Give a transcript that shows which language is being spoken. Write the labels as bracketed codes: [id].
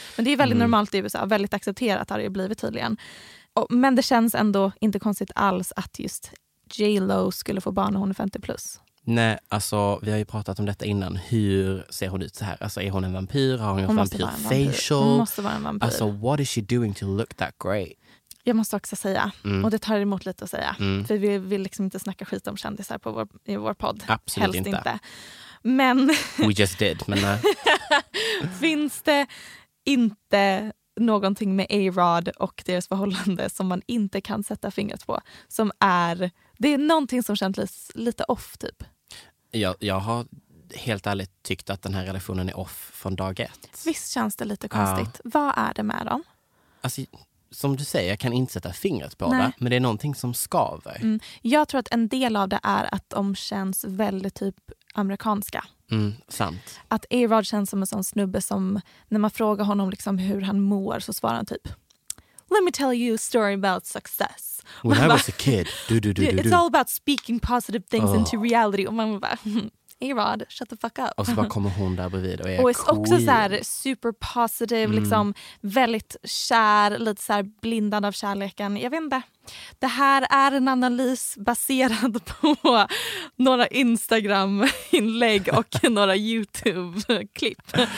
[sv] Men det är väldigt normalt i USA, väldigt accepterat har det blivit tydligen. Men det känns ändå inte konstigt alls att just J-Lo skulle få barn när hon är 50 plus. Nej, alltså vi har ju pratat om detta innan. Hur ser hon ut så här? Alltså är hon en vampyr? Har hon gjort vampyr facial? Hon måste vara en vampyr. Alltså [en] what is she doing to look that great? [sv] Jag måste också säga, och det tar emot lite att säga. Mm. För vi vill liksom inte snacka skit om kändisar på vår podd. Absolut. Helst inte. Men... [en] We just did, [sv] men nej. Finns det inte någonting med A-Rod och deras förhållande som man inte kan sätta fingret på? Som är... Det är någonting som känns lite off, typ. Jag har helt ärligt tyckt att den här relationen är off från dag ett. Visst känns det lite konstigt. Ja. Vad är det med dem? Alltså, som du säger, jag kan inte sätta fingret på det. Men det är någonting som skaver. Mm. Jag tror att en del av det är att de känns väldigt typ amerikanska. Mm, sant. Att A-Rod känns som en sån snubbe som när man frågar honom liksom hur han mår så svarar han typ [en] "Let me tell you a story about success." When I was a kid. It's all about speaking positive things into reality. [sv] Och man bara, [en] A-Rod, shut the fuck up. [sv] Och så bara kommer hon där bredvid och är och [en] cool. [sv] Och också så här [en] super positive, [sv] liksom väldigt kär, lite så här blindad av kärleken. Jag vet inte. Det här är en analys baserad på några Instagram-inlägg och några YouTube-klipp.